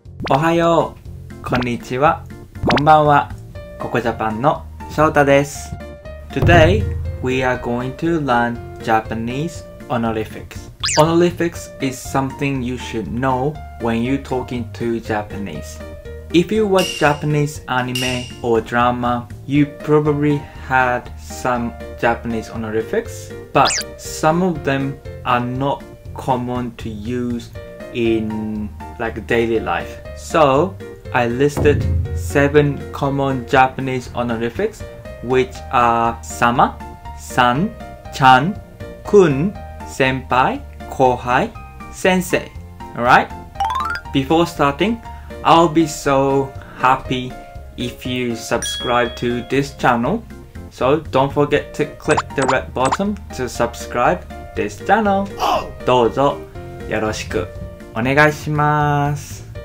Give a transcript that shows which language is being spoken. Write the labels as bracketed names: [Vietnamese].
[Japanese] おはよう、こんにちは、こんばんは。ココジャパンの翔太です。 [English] Today we are going to learn Japanese Honorifics. Honorifics is something you should know when you talking to Japanese. If you watch Japanese anime or drama, you probably had some Japanese honorifics, but some of them are not common to use in like daily life. So I listed 7 common Japanese honorifics, which are sama, san, chan, kun, senpai, kohai, sensei. Alright? Before starting, I'll be so happy if you subscribe to this channel. So don't forget to click the red button to subscribe this channel. [Japanese] どうぞよろしくおねがいします。